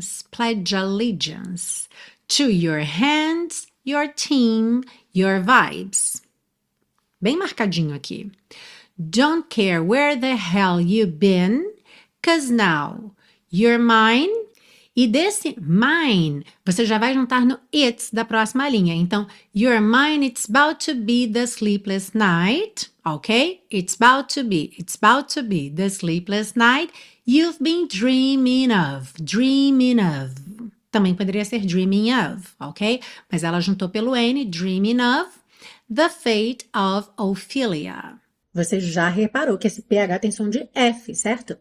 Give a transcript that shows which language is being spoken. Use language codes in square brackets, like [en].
[en] Pledge allegiance to your hands, your team, your vibes. [pt] Bem marcadinho aqui. [en] Don't care where the hell you've been, 'cause now you're mine. [pt] E desse mine, você já vai juntar no it's da próxima linha. [en] Então, you're mine, it's about to be the sleepless night. Ok? It's about to be the sleepless night you've been dreaming of. Dreaming of. [pt] Também poderia ser dreaming of, ok? Mas ela juntou pelo N, dreaming of. [en] The fate of Ophelia. [pt] Você já reparou que esse PH tem som de F, certo?